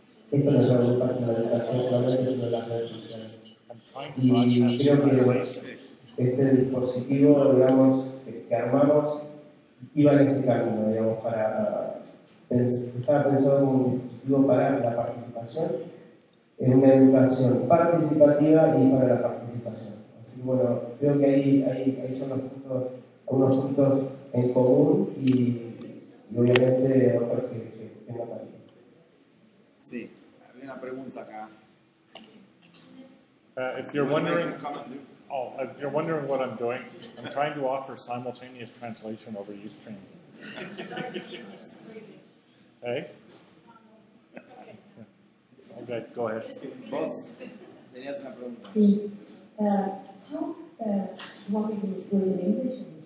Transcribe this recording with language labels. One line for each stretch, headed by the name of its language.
Spanish: Esto no solo pasa en la educación solamente, sino en las redes sociales. Y creo que este dispositivo, digamos, que armamos, iba en ese camino, digamos, para estaba pensado como un dispositivo para la participación, en una educación participativa y para la participación. Así que bueno, creo que ahí son los puntos. Algunos puntos en común y obviamente otros que tengo también. Sí, había una pregunta acá.
English: If you're wondering, if you're wondering what I'm doing, I'm trying to offer simultaneous translation over UStream. Hey? Okay, go ahead.
Spanish: Vos, tenías una pregunta. Sí.
English: How what are you doing in English?